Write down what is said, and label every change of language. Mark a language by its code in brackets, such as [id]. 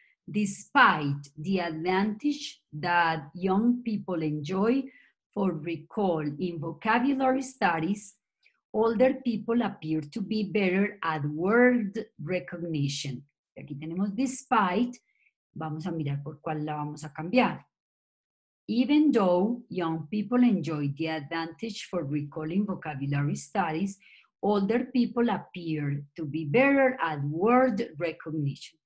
[en] Despite the advantage that young people enjoy for recall in vocabulary studies, older people appear to be better at word recognition. [es] Aquí tenemos [en] despite [es] vamos a mirar por cuál la vamos a cambiar. [en] Even though young people enjoy the advantage for recalling vocabulary studies, older people appear to be better at word recognition.